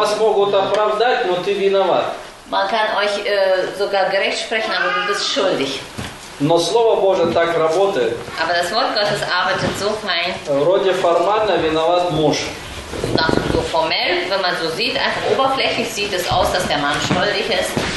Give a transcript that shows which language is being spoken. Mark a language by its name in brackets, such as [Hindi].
[Russian] Вас могут оправдать, но ты виноват. [German] Man kann euch sogar gerecht sprechen, aber du bist schuldig. [Russian] Но Слово Божие так работает. [German] Aber das Wort Gottes arbeitet so fein. [Russian] Вроде формально виноват муж. [German] So formell, wenn man so sieht, einfach oberflächlich sieht es aus, dass der Mann schuldig ist.